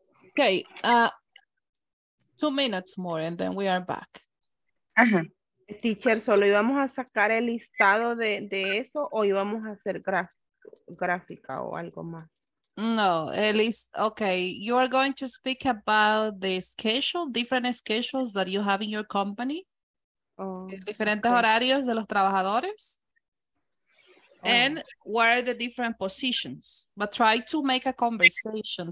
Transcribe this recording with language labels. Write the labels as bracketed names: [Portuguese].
[English] Okay, 2 minutes more and then we are back. Uh-huh. [Spanish] Teacher, solo íbamos a sacar el listado de eso o íbamos a hacer gráfica o algo más. [English] No, at least, okay, you are going to speak about the schedule, different schedules that you have in your company. Oh, [Spanish] diferentes [English] okay. [Spanish] horarios de los trabajadores. [English] And what are the different positions? But try to make a conversation.